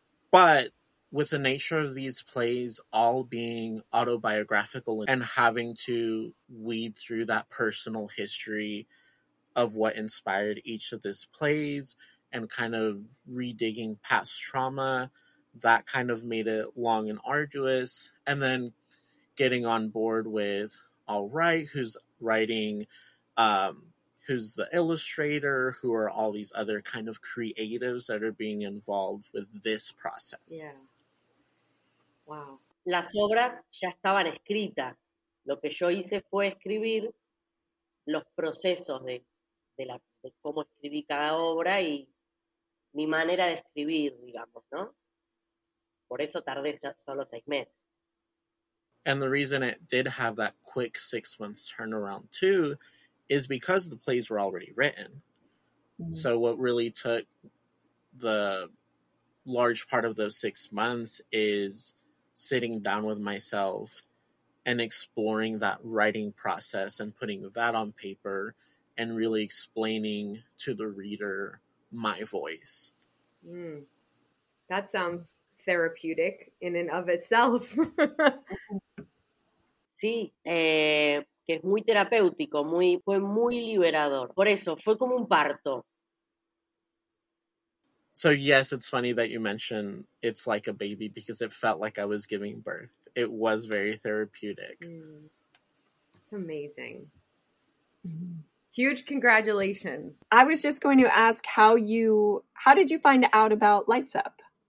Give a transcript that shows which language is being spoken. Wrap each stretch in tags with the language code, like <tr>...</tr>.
<en>But with the nature of these plays all being autobiographical and having to weed through that personal history of what inspired each of these plays and kind of redigging past trauma, that kind of made it long and arduous. And then getting on board with All Right, who's writing, who's the illustrator, who are all these other kind of creatives that are being involved with this process. Yeah. Wow.</en> <es>Las obras ya estaban escritas. Lo que yo hice fue escribir los procesos de cómo escribí cada obra y mi manera de escribir, digamos, ¿no? Por eso tardé solo 6 meses.</es> <en>And the reason it did have that quick 6 month turnaround too is because the plays were already written. Mm-hmm. So what really took the large part of those 6 months is sitting down with myself and exploring that writing process and putting that on paper and really explaining to the reader my voice. Mm. That sounds therapeutic in and of itself.</en> <es>Sí, que es muy terapéutico, fue muy liberador. Por eso, fue como un parto.</es> <en>So yes, it's funny that you mention it's like a baby because it felt like I was giving birth. It was very therapeutic. It's amazing. Mm-hmm. Huge congratulations. I was just going to ask how did you find out about Lights Up?</en>